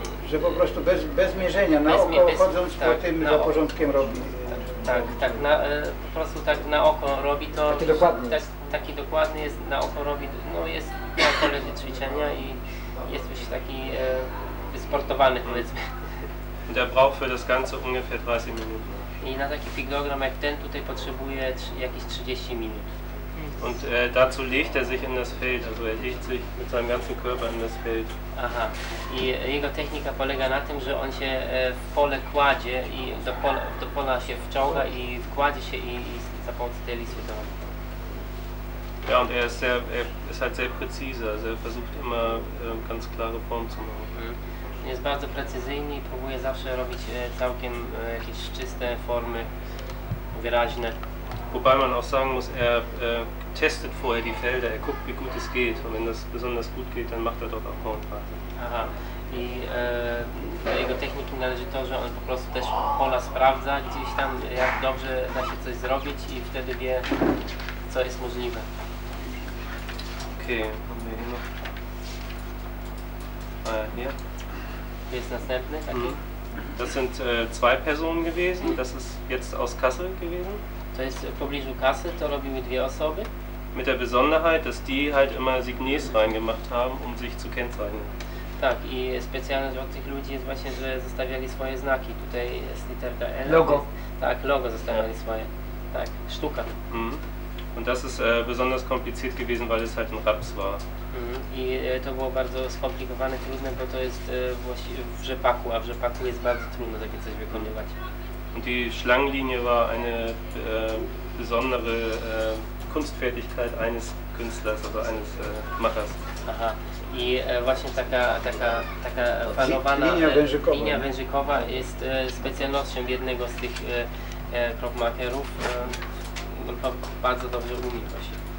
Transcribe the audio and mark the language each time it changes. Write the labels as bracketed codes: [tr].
[pl] Że po prostu bez mierzenia, na oko chodząc tak, po tym zaporządkiem robi. Tak, po prostu tak na oko robi to. Taki dokładny. Taki dokładny jest, na oko robi, no jest na pole ćwiczenia i jest już taki wysportowany, powiedzmy. [de] Und er braucht für das Ganze ungefähr 30 Minuten. [pl] I na taki piktogram jak ten tutaj potrzebuje jakieś 30 minut. [de] Und dazu legt er sich in das Feld, also er legt sich mit seinem ganzen Körper in das Feld. [pl] Aha, i jego technika polega na tym, że on się w pole kładzie i do pola się wciąga i wkładzie się i za pomocą tej listy to robi. [de] Ja, und er ist halt sehr präzise, also er versucht immer ganz klare Form zu machen. [pl] Jest bardzo precyzyjny i próbuje zawsze robić całkiem jakieś czyste formy, wyraźne. [de] Wobei man auch sagen muss, er testet vorher die Felder, er guckt, wie gut es geht. Und wenn das besonders gut geht, dann macht er dort auch Hornplatte. Aha. [pl] I do jego techniki należy to, że on po prostu też pola sprawdza gdzieś tam, jak dobrze da się coś zrobić i wtedy wie, co jest możliwe. Okej, mamy [de] hier noch. Ist [pl] następny, taki? [de] Das sind zwei Personen gewesen. Das ist jetzt aus Kassel gewesen. [pl] To jest w pobliżu Kassel, to robiły dwie osoby. [de] Mit der Besonderheit, dass die halt immer Signets reingemacht haben, um sich zu kennzeichnen. [pl] Tak, i specjalność od tych ludzi jest właśnie, że zostawiali swoje znaki. Tutaj jest literka L. Logo. Tak, logo zostawiali swoje. Tak, sztuka. [de] Und das ist besonders kompliziert gewesen, weil es halt ein Raps war. [pl] I to było bardzo skomplikowane, trudne, bo to jest właściwie w rzepaku, a w rzepaku jest bardzo trudno takie coś wykonywać. [de] Die Schlangenlinie war eine besondere Kunstfertigkeit eines Künstlers, also eines Machers. Aha. [pl] I właśnie taka panowana linia wężykowa jest specjalnością jednego z tych kropmacherów. To bardzo dobrze umie właśnie.